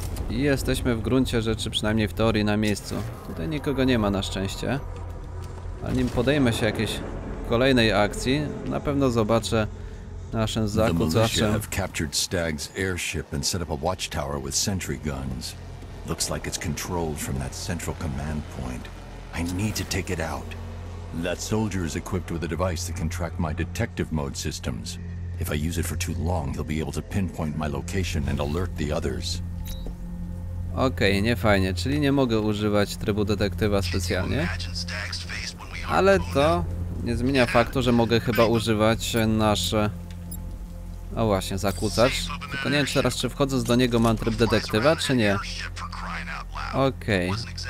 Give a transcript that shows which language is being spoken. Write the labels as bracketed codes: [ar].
[pl] I jesteśmy w gruncie rzeczy, przynajmniej w teorii, na miejscu. Tutaj nikogo nie ma na szczęście. A nim podejmę się jakiejś kolejnej akcji, na pewno zobaczę naszym zakupem. [en] The militia have captured Stagg's airship and set up a watchtower with sentry guns. Looks like it's controlled from that central command point. I need to take it out. That soldier is equipped with a device that can track my detective mode systems. If I use it for too long, he'll be able to pinpoint my location and alert the others. [pl] Okej, okay, nie fajnie, czyli nie mogę używać trybu detektywa specjalnie. Ale to nie zmienia faktu, że mogę chyba używać nasze... O właśnie, zakłócacz. Tylko nie wiem teraz, czy wchodząc do niego mam tryb detektywa, czy nie. Okej. Okay.